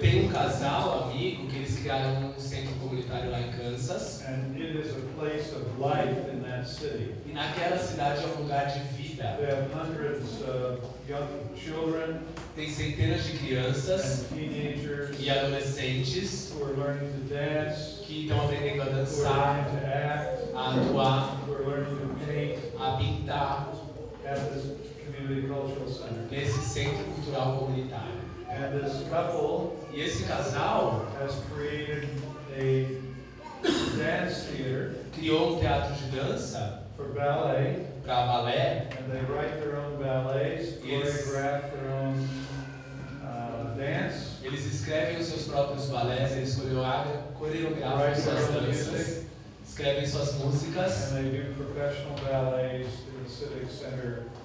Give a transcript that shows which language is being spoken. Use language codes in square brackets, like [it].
[pt] casal, amigo, que eles criaram um centro comunitário lá em Kansas. [en] And it is a place of life in that city. [pt] E naquela cidade é um lugar de vida. [en] They have hundreds of young children. [pt] Tem centenas de crianças e adolescentes [en] who are learning to dance, [pt] que estão aprendendo a dançar, [en] to act, [pt] a atuar, [en] who are learning to paint, [pt] a pintar [en] at this community cultural center. [pt] Nesse centro cultural comunitário. [en] And this couple, [pt] e esse casal, [en] has created a dance theater, [pt] criou um teatro de dança [en] for ballet, [pt] para balé, [en] and they write their own ballets, choreograph their own dance. [pt] Eles escrevem os seus próprios balés, eles coreografam suas danças, escrevem suas músicas, [en] and they do professional ballets in the Civic Center.